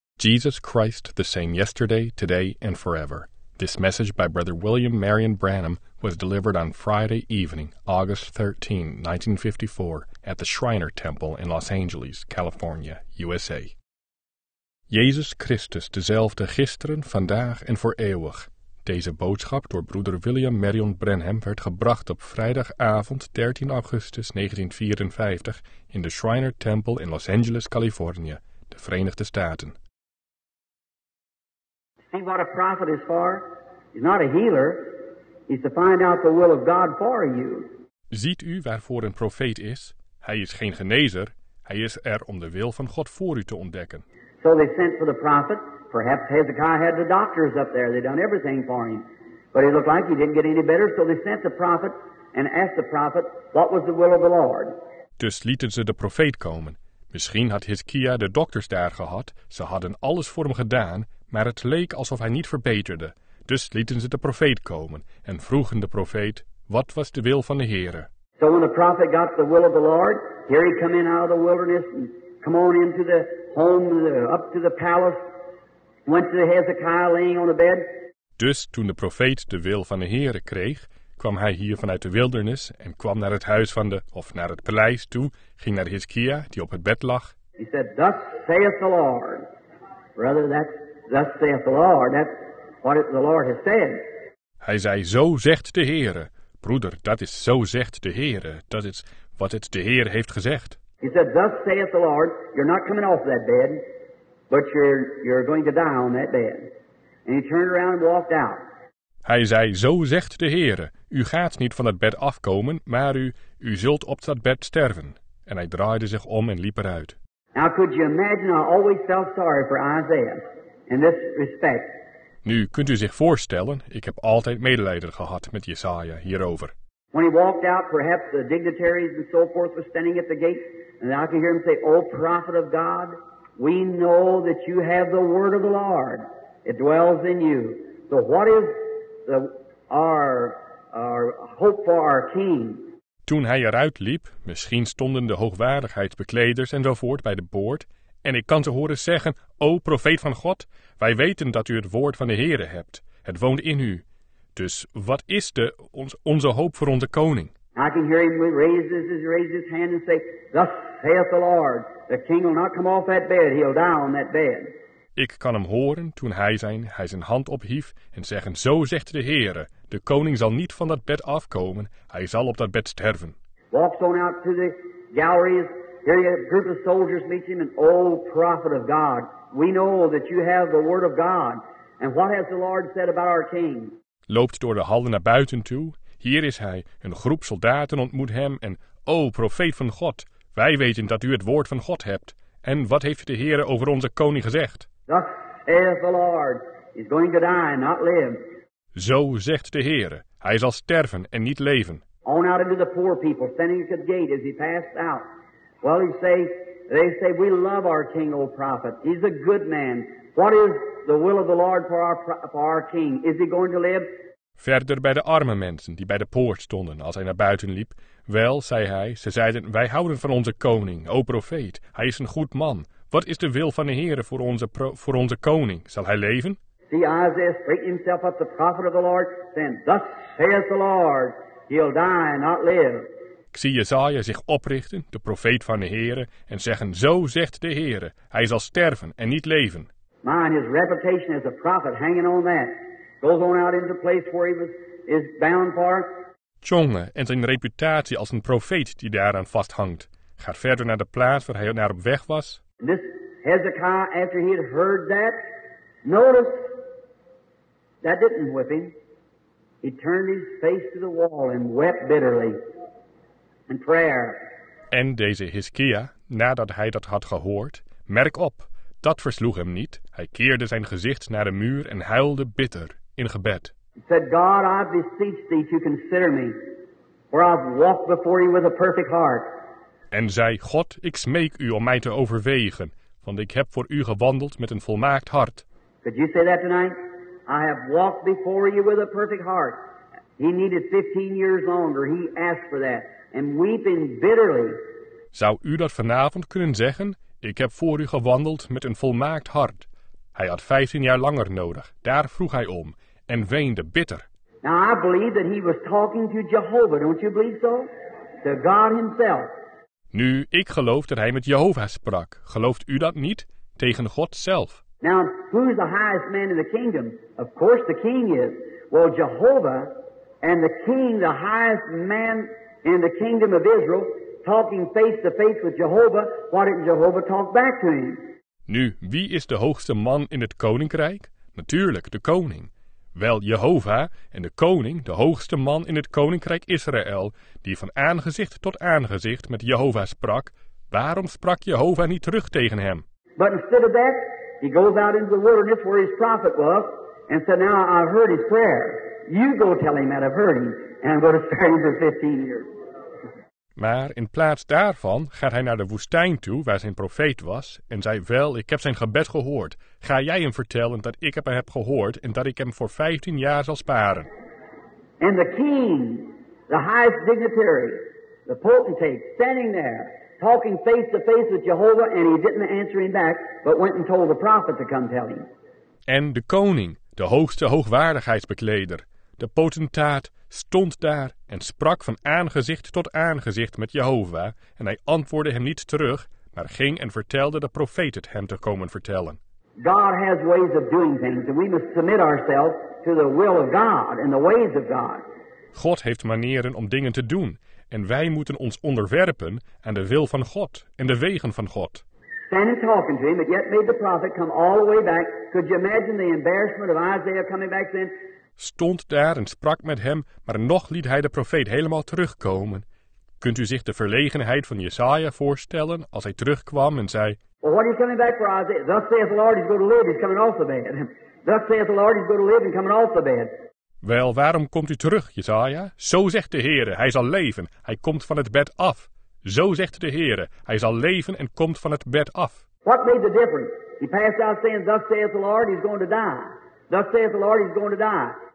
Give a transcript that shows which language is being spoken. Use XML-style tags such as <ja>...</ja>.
<en>Jesus Christ, the same yesterday, today, and forever. This message by Brother William Marion Branham was delivered on Friday evening, August 13, 1954, at the Shriner Temple in Los Angeles, California, USA.</en> <nl>Jezus Christus, dezelfde gisteren, vandaag en voor eeuwig. Deze boodschap door broeder William Marion Branham werd gebracht op vrijdagavond 13 augustus 1954 in de Shriner Temple in Los Angeles, Californië, de Verenigde Staten.</nl> <en>See what a prophet is for? He's not a healer. He's to find out the will of God for you.</en> <nl>Ziet u waarvoor een profeet is? Hij is geen genezer. Hij is er om de wil van God voor u te ontdekken.</nl> <en>So they sent for the prophet. Perhaps Hezekiah had the doctors up there. They'd done everything for him. But it looked like he didn't get any better. So they sent the prophet and asked the prophet, what was the will of the Lord?</en> <nl>Dus lieten ze de profeet komen. Misschien had Hezekiah de dokters daar gehad. Ze hadden alles voor hem gedaan, maar het leek alsof hij niet verbeterde. Dus lieten ze de profeet komen en vroegen de profeet, wat was de wil van de Heere?</nl> <en>So when the prophet got the will of the Lord, here he come in out of the wilderness and come on into the home, up to the palace, went to Hezekiah laying on the bed.</en> <nl>Dus toen de profeet de wil van de Heere kreeg, kwam hij hier vanuit de wildernis en kwam naar het huis van de, of naar het paleis toe, ging naar Hezekiah die op het bed lag.</nl> <en>He said, thus saith the Lord. Brother, that's thus saith the Lord. That's what the Lord has said.</en> <nl>Hij zei, zo zegt de Heere. Broeder, dat is zo zegt de Heere. Dat is wat het de Heer heeft gezegd.</nl> <en>He said, thus saith the Lord, you're not coming off that bed, but you're going to die on that bed. And he turned around and walked out.</en> <nl>Hij zei, zo zegt de Heere, u gaat niet van het bed afkomen, maar u zult op dat bed sterven. En hij draaide zich om en liep eruit.</nl> <en>Now could you imagine, I always felt sorry for Isaiah in this respect.</en> <nl>Nu kunt u zich voorstellen, ik heb altijd medelijden gehad met Jesaja hierover.</nl> <en>When he walked out, perhaps the dignitaries and so forth were standing at the gate, and I could hear him say, O prophet of God, we know that you have the word of the Lord. It dwells in you. So what is our hope for our king?</en> <nl>Toen hij eruit liep, misschien stonden de hoogwaardigheidsbekleders enzovoort bij de poort, en ik kan ze horen zeggen, O profeet van God, wij weten dat u het woord van de Heere hebt. Het woont in u. Dus wat is onze hoop voor onze koning?</nl> <en>I can hear him raise his hand and say, thus saith the Lord, the king will not come off that bed, he'll die on that bed.</en> <nl>Ik kan hem horen toen hij zijn hand ophief en zeggen, zo zegt de Heere, de koning zal niet van dat bed afkomen, hij zal op dat bed sterven.</nl> <en>Walks on out to the galleries, here a group of soldiers meet him, and oh, prophet of God, we know that you have the word of God, and what has the Lord said about our king?</en> <nl>Loopt door de hallen naar buiten toe. Hier is hij. Een groep soldaten ontmoet hem en, o, profeet van God, wij weten dat u het woord van God hebt. En wat heeft de Heere over onze koning gezegd?</nl> <en>Thus saith the Lord, he's going to die and not live.</en> <nl>Zo zegt de Heere, hij zal sterven en niet leven.</nl> <en>On out into the poor people, standing at the gate as he passed out. Well, they say, we love our king, O prophet. He's a good man. What is the will of the Lord for our king? Is he going to live?</en> <nl>Verder bij de arme mensen die bij de poort stonden als hij naar buiten liep. Wel, zei hij, ze zeiden, wij houden van onze koning, o profeet. Hij is een goed man. Wat is de wil van de Heere voor onze koning? Zal hij leven?</nl> <en>See, Isaiah straightened himself up, the prophet of the Lord, saying, thus saith the Lord, he'll die and not live.</en> <nl>Ik zie Jesaja zich oprichten, de profeet van de Heere, en zeggen, zo zegt de Heere, hij zal sterven en niet leven.</nl> <en>Mine, his reputation as a prophet hanging on that. Goes on out into the place where he is bound for.</en> <nl>Tjonge, en zijn reputatie als een profeet die daaraan vasthangt, gaat verder naar de plaats waar hij naar op weg was.</nl> <en>And this Hezekiah, after he had heard that, notice, that didn't whip him. He turned his face to the wall and wept bitterly in prayer.</en> <nl>En deze Hezekiah, nadat hij dat had gehoord, merk op, dat versloeg hem niet. Hij keerde zijn gezicht naar de muur en huilde bitter in gebed.</nl> <en>He said, God, I beseech thee to consider me, for I've walked before you with a perfect heart.</en> <nl>En zei, God, ik smeek u om mij te overwegen, want ik heb voor u gewandeld met een volmaakt hart.</nl> <en>Could you say that tonight? I have walked before you with a perfect heart. He needed 15 years longer. He asked for that. And weeping bitterly.</en> <nl>Zou u dat vanavond kunnen zeggen? Ik heb voor u gewandeld met een volmaakt hart. Hij had 15 jaar langer nodig. Daar vroeg hij om en weende bitter.</nl> <en>Now I believe that he was talking to Jehovah, don't you believe so? To God himself.</en> <nl>Nu, ik geloof dat hij met Jehovah sprak. Gelooft u dat niet? Tegen God zelf.</nl> <en>Now, who is the highest man in the kingdom? Of course the king is. Well, Jehovah and the king, the highest man in the kingdom of Israel, talking face to face with Jehovah, why didn't Jehovah talk back to him?</en> <nl>Nu, wie is de hoogste man in het koninkrijk? Natuurlijk, de koning. Wel, Jehovah en de koning, de hoogste man in het koninkrijk Israël, die van aangezicht tot aangezicht met Jehovah sprak, waarom sprak Jehovah niet terug tegen hem?</nl> <en>But instead of that, he goes out into the wilderness where his prophet was, and said, now I've heard his prayer. You go tell him that I've heard him, and I'm going to spare him for 15 years.</en> <nl>Maar in plaats daarvan gaat hij naar de woestijn toe waar zijn profeet was en zei, wel, ik heb zijn gebed gehoord. Ga jij hem vertellen dat ik hem heb gehoord en dat ik hem voor 15 jaar zal sparen.</nl> <en>And the king, the highest dignitary, the potentate, standing there, talking face to face with Jehovah, and he didn't answer him back, but went and told the prophet to come tell him.</en> <nl>En de koning, de hoogste hoogwaardigheidsbekleder, de potentaat, stond daar en sprak van aangezicht tot aangezicht met Jehovah en hij antwoordde hem niet terug, maar ging en vertelde de profeet het hem te komen vertellen.</nl> <en>God has ways of doing things and we must submit ourselves to the will of God and the ways of God.</en> <nl>God heeft manieren om dingen te doen en wij moeten ons onderwerpen aan de wil van God en de wegen van God.</nl> <en>Standing talking to him, but yet made the prophet come all the way back. Could you imagine the embarrassment of Isaiah coming back then?</en> <nl>Stond daar en sprak met hem, maar nog liet hij de profeet helemaal terugkomen. Kunt u zich de verlegenheid van Jesaja voorstellen als hij terugkwam en zei,</nl> <en>well, what are you coming back for, Isaiah? Thus saith the Lord, he's going to live, he's coming off the bed. Thus saith the Lord, he's going to live and coming off the bed.</en> <nl>Wel, waarom komt u terug, Jesaja? Zo zegt de Heere, hij zal leven, hij komt van het bed af. Zo zegt de Heere, hij zal leven en komt van het bed af.</nl> <en>What made the difference? He passed out saying, thus saith the Lord, he's going to die. Thus saith the Lord, he's going to die.</en>